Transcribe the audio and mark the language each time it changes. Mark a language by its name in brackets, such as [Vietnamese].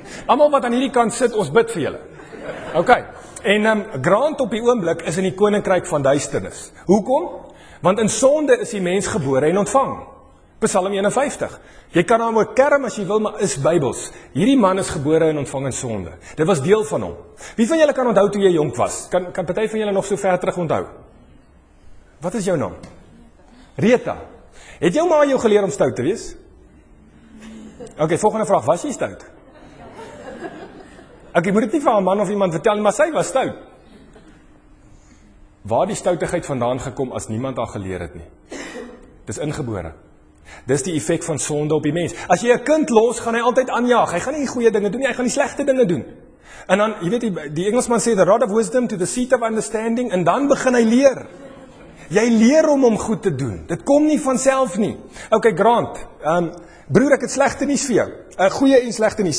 [Afrikaans] Almal wat aan hierdie kant sit, ons bid vir julle. OK. En Grant op die oomblik is in die koninkryk van duisternis. Hoekom? Want in sonde is die mens gebore en ontvang. Psalm 51. Jy kan hom ook kerm as jy wil, maar is Bybels. Hierdie man is gebore en ontvang in sonde. Dit was deel van hom. Wie van julle kan onthou toe jy jonk was? Kan party van julle nog so ver terug onthou? Wat is jou naam? Rita. Het jou ma jou geleer om stout te wees? OK, volgende vraag. Was jy stout? OK, moet dit nie vir 'n man of iemand vertel, maar sy was stout. Waar die stoutigheid vandaan gekom as niemand haar geleer het nie? Dis ingebore. Dis die effek van sonde op die mens. As jy 'n kind los, gaan hy altyd aanjaag. Hy gaan nie goeie dinge doen nie, hy gaan nie slegte dinge doen. En dan, jy weet, die Engelsman sê, [English] the rod of wisdom to the seat of understanding, [Afrikaans] en dan begin hy leer. Jy leer om goed te doen. Dit kom nie vanself nie. OK, Grant, broer, ek het slegte nuus vir jou. Goeie en slegte nuus.